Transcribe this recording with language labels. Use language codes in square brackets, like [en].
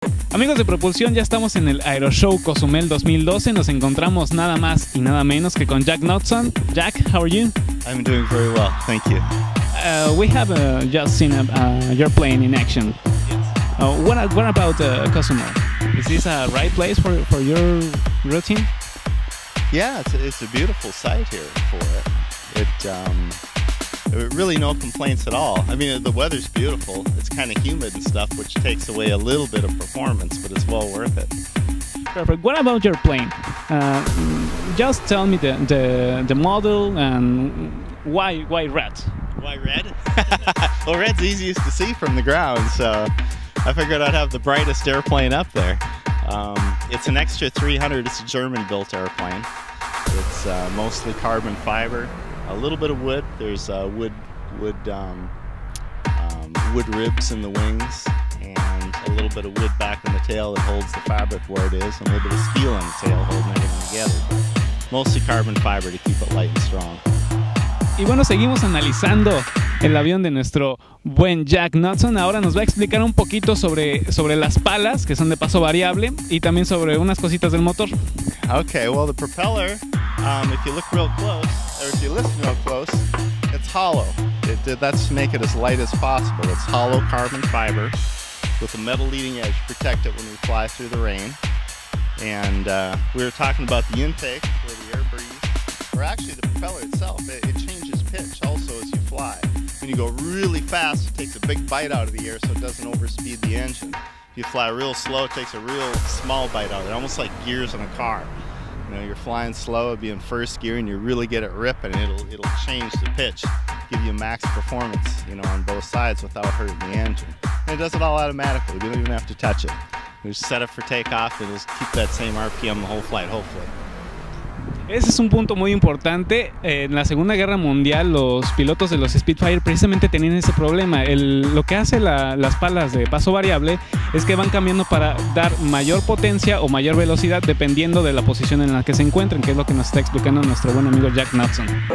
[es] Amigos de Propulsión, ya estamos en el Aeroshow Cozumel 2012. Nos encontramos nada más y nada menos que con Jack Knudson. [en] Jack, how are you? I'm doing very well, thank you. We have just seen your plane in action. What about Cozumel? Is this a right place for your routine? Yeah, it's a beautiful site here for it. Really no complaints at all. I mean, the weather's beautiful. It's kind of humid and stuff, which takes away a little bit of performance, but it's well worth it. Perfect. What about your plane? Just tell me the model and why red? Why red? Well, red's easiest to see from the ground, so I figured I'd have the brightest airplane up there. It's an extra 300. It's a German-built airplane. It's mostly carbon fiber. A little bit of wood. There's wood ribs in the wings, and a little bit of wood back in the tail that holds the fabric where it is, and a little bit of steel in the tail holding everything together. But mostly carbon fiber to keep it light and strong. [es] Y bueno, seguimos analizando el avión de nuestro buen Jack Knudson. Ahora nos va a explicar un poquito sobre las palas, que son de paso variable, y también sobre unas cositas del motor. [en] Okay, well, the propeller, if you look real close, or if you listen real close, it's hollow. That's to make it as light as possible. It's hollow carbon fiber with a metal leading edge to protect it when we fly through the rain. And we were talking about the intake, where the air breathes, or actually the propeller itself. It changes pitch also as you fly. When you go really fast, it takes a big bite out of the air so it doesn't overspeed the engine. If you fly real slow, it takes a real small bite out of it, almost like gears on a car. You know, you're flying slow, it'd be in first gear, and you really get it ripping, and it'll change the pitch, give you max performance, you know, on both sides without hurting the engine. And it does it all automatically. You don't even have to touch it. You just set it for takeoff, and it'll keep that same RPM the whole flight, hopefully. [es] Ese es un punto muy importante. En la Segunda Guerra Mundial, los pilotos de los Spitfire precisamente tenían ese problema. Lo que hace las palas de paso variable es que van cambiando para dar mayor potencia o mayor velocidad dependiendo de la posición en la que se encuentren, que es lo que nos está explicando nuestro buen amigo Jack Knudson.